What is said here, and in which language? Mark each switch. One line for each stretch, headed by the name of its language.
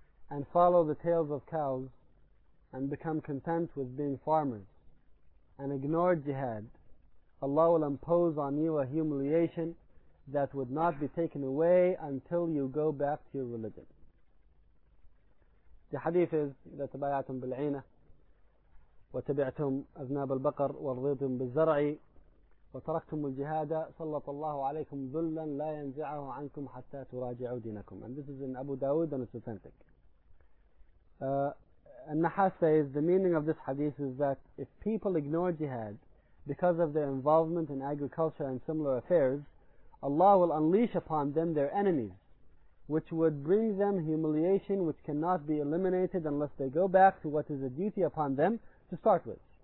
English: and follow the tails of cows, and become content with being farmers, and ignore jihad, Allah will impose on you a humiliation that would not be taken away until you go back to your religion." The hadith is,
Arabic: إِذَا تَبَايَعْتُمْ بِالْعِينَةِ وَتَبِعْتُمْ أَذْنَابَ الْبَقَرِ وَرْضِيْتُمْ بِالزَّرْعِ وَتَرَكْتُمُ الْجِهَادَ سَلَّطَ اللَّهُ عَلَيْكُمْ ذُلًّا لَا يَنْزِعَهُ عَنْكُمْ حَتَّى تُرَاجِعُوا دِينَكُمْ.
English: And this is in Abu Dawood and it's authentic. An-Nahas says, the meaning of this hadith is that if people ignore jihad because of their involvement in agriculture and similar affairs, Allah will unleash upon them their enemies, which would bring them humiliation which cannot be eliminated unless they go back to what is a duty upon them to start with.